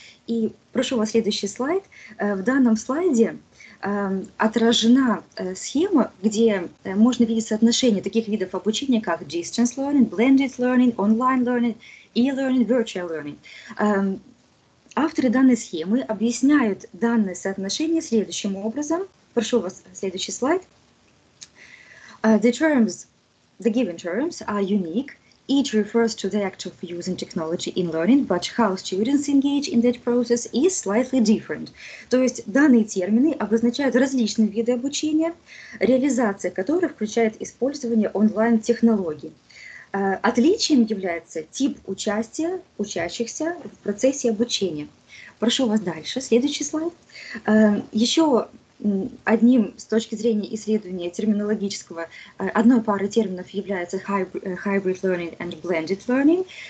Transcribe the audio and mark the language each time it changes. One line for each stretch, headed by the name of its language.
Russian: И прошу вас следующий слайд. В данном слайде отражена схема, где можно видеть соотношение таких видов обучения, как distance learning, blended learning, online learning, e-learning, virtual learning. Авторы данной схемы объясняют данное соотношение следующим образом. Прошу вас следующий слайд.
English: The given terms are unique. Each refers to the act of using technology in learning, but how students engage in that process is slightly different.
Russian: То есть данные термины обозначают различные виды обучения, реализация которых включает использование онлайн-технологий. Отличием является тип участия учащихся в процессе обучения. Прошу вас дальше, следующий слайд. Еще одним с точки зрения исследования терминологического, одной пары терминов является hybrid learning and blended learning.